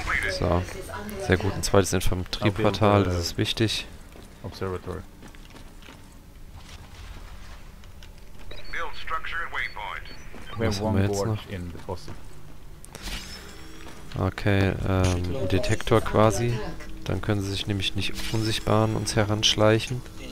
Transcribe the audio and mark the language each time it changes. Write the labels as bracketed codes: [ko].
[de] So. Sehr gut. Ein zweites Infanterieportal, das ist wichtig. [en] Observatory. Build structure at waypoint. We have one board in the fossil. [de] Okay, Detektor quasi. Dann können sie sich nämlich nicht unsichtbar an uns heranschleichen.